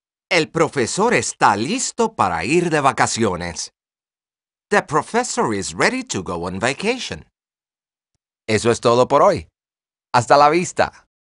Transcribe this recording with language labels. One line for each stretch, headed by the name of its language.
Spanish: El profesor está listo para ir de vacaciones.
English: The professor is ready to go on vacation.
Spanish: Eso es todo por hoy. Hasta la vista.